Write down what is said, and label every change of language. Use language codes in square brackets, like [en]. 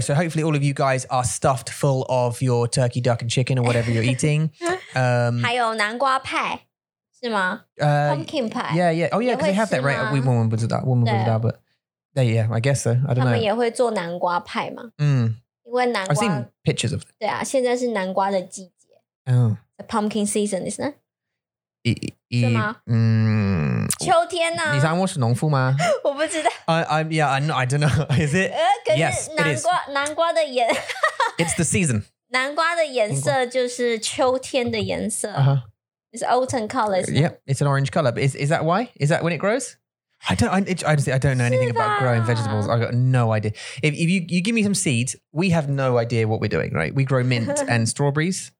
[en] So hopefully all of you guys are stuffed full of your turkey, duck and chicken or whatever you're eating. [zh] 还有南瓜派, 是吗? [en] Pumpkin pie. Yeah, yeah. Oh yeah, because they have that, right? We won't put that. We won't put that, but yeah, I guess so. I don't know. [zh] 他们也会做南瓜派吗? [en] I've seen pictures of them. [zh] 对啊,现在是南瓜的季节。 Oh. [en] The pumpkin season, isn't it? [zh] 是吗? 秋天啊。你猜我是农夫吗? 我不知道。 [en] I don't know. Is it? Yes, it is. [zh] 南瓜的颜... [en] It's the season. [zh] 南瓜的颜色就是秋天的颜色。 Uh-huh. [en] It's autumn color, isn't it? Yeah, it's an orange color. But is that why? Is that when it grows? I don't know anything about growing vegetables. I've got no idea. If you give me some seeds, we have no idea what we're doing, right? We grow mint and strawberries.